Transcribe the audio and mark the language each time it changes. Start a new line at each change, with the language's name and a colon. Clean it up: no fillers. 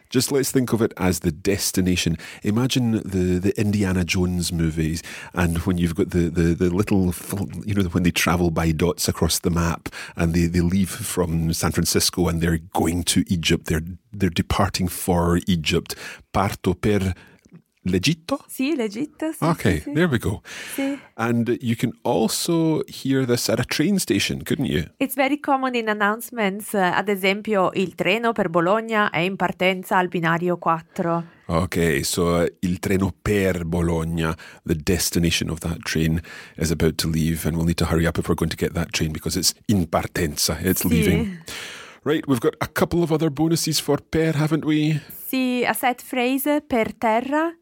English: Just let's think of it as the destination. Imagine the Indiana Jones movies, and when you've got the little, you know, when they travel by dots across the map, and they leave from San Francisco and they're going to Egypt, they're departing for Egypt.
Italian: Parto per l'Egitto? Sì, l'Egitto. Sì,
English: okay,
Italian: sì,
English: there we go.
Italian: Sì.
English: And you can also hear this at a train station, couldn't you? It's very common in announcements.
Italian: Ad esempio, il treno per Bologna è in partenza al binario 4.
English: Okay, so
Italian: il treno per Bologna,
English: the destination of that train, is about to leave, and we'll need to hurry up if we're going to get that train because it's
Italian: in partenza,
English: it's
Italian: sì.
English: leaving. Right, we've got a couple of other bonuses for per, haven't we? Sì, a set phrase,
Italian: per terra.